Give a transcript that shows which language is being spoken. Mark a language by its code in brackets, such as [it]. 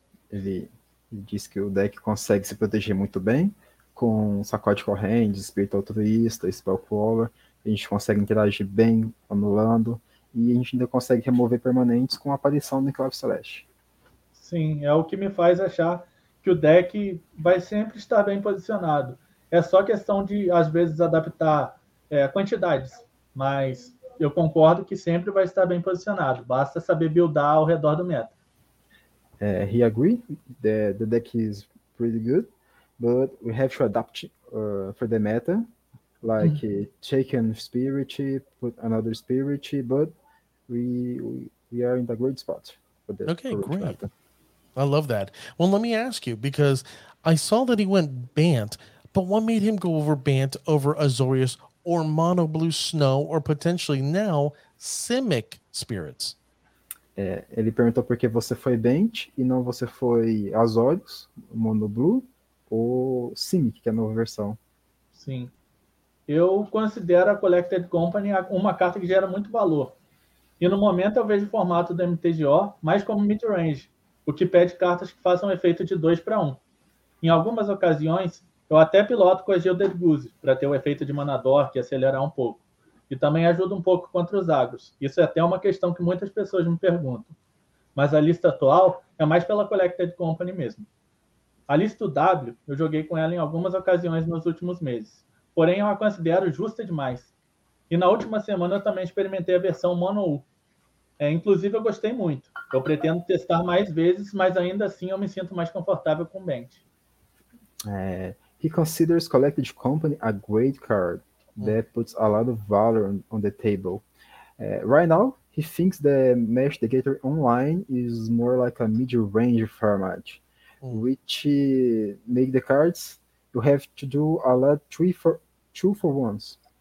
[pt] Ele diz que o deck consegue se proteger muito bem com Sacode Corrente, Espírito Altruísta, Spell Queller. A gente consegue interagir bem anulando e a gente ainda consegue remover permanentes com a aparição do Enclave Celeste. Sim, é o que me faz achar que o deck vai sempre estar bem posicionado. É só questão de, às vezes, adaptar quantidades, mas eu concordo que sempre vai estar bem posicionado. Basta saber buildar ao redor do meta. [en] He agree that the deck is pretty good, but we have to adapt for the meta, like taking spirit, put another spirit, but we are in the great spot for the great meta. I love that. Well, let me ask you, because I saw that he went Bant, but what made him go over Bant over Azorius or Mono Blue Snow or potentially now Simic Spirits? [pt] Ele perguntou por que você foi Bant e não você foi Azorius, Mono Blue ou Simic, que é a nova versão. Sim. Eu considero a Collected Company uma carta que gera muito valor. E no momento eu vejo o formato do MTGO mais como midrange, o que pede cartas que façam efeito de 2 para 1. Em algumas ocasiões, eu até piloto com a Gilded Goose para ter o efeito de Manador, que acelerar um pouco. E também ajuda um pouco contra os Agros. Isso é até uma questão que muitas pessoas me perguntam. Mas a lista atual é mais pela Collected Company mesmo. A lista W, eu joguei com ela em algumas ocasiões nos últimos meses. Porém, eu a considero justa demais. E na última semana, eu também experimentei a versão Mono U. Inclusive, eu gostei muito. Eu pretendo testar mais vezes, mas ainda assim eu me sinto mais confortável com o Bant. [en] He considers Collected Company a great card that puts a lot of valor on the table. Right now, he thinks that Mesh the Gator Online is more like a mid-range format, which make the cards you have to do a lot two for ones.